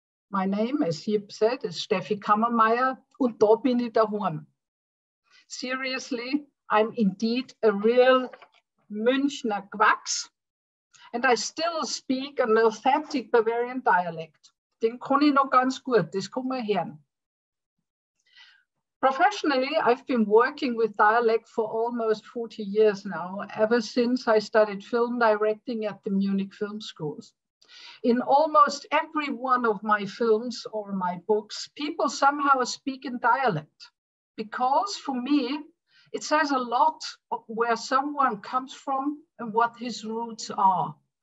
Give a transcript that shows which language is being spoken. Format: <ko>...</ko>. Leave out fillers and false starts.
<en>My name, as Jip said, is Steffi Kammermeier,</en> <de>und da bin ich daheim.</de> <en>Seriously, I'm indeed a real Münchner Quacks. And I still speak an authentic Bavarian dialect.</en> <de>Den kann ich noch ganz gut, das kann man hören.</de> <en>Professionally, I've been working with dialect for almost 40 years now, ever since I studied film directing at the Munich Film Schools. In almost every one of my films or my books, people somehow speak in dialect because for me, it says a lot of where someone comes from and what his roots are.</en>